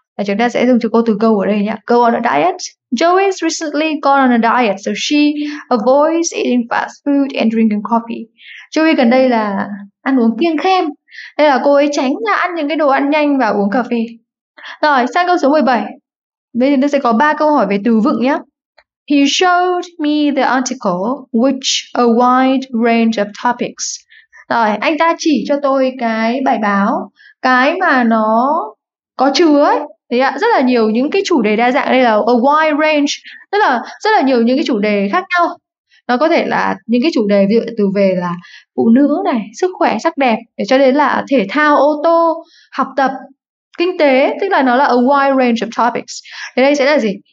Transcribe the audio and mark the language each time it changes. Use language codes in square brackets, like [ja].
[vi] Và chúng ta sẽ dùng cho câu từ go ở đây nhé. [en] Go on a diet. Joey's recently gone on a diet, so she avoids eating fast food and drinking coffee. [vi] Joey gần đây là ăn uống kiêng khem. Đây là cô ấy tránh là ăn những cái đồ ăn nhanh và uống cà phê. Rồi, sang câu số 17. Bây giờ chúng ta sẽ có 3 câu hỏi về từ vựng nhé. [en] He showed me the article which a wide range of topics. [vi] Rồi, anh ta chỉ cho tôi cái bài báo, cái mà nó có chứa ấy. Đấy ạ, rất là nhiều những cái chủ đề đa dạng. Đây là [en] a wide range, [vi] tức là rất là nhiều những cái chủ đề khác nhau. Nó có thể là những cái chủ đề ví dụ từ về là phụ nữ này, sức khỏe, sắc đẹp, cho đến là thể thao, ô tô, học tập, kinh tế, tức là nó là [en] a wide range of topics. [vi] Thế đây sẽ là gì?